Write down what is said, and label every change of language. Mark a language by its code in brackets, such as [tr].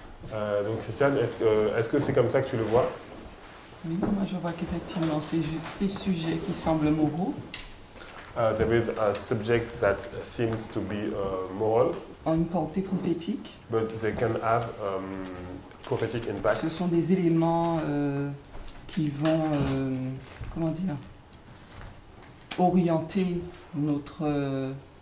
[fr] Donc Christiane, est-ce que c'est comme ça que tu le vois? Oui, moi je vois qu'effectivement ces sujets qui semblent moraux. [en] There is a subject that seems to be moral. [fr] Ont une portée prophétique. [en] But they can have prophetic impact. [fr] Ce sont des éléments qui vont, comment dire, orienter notre.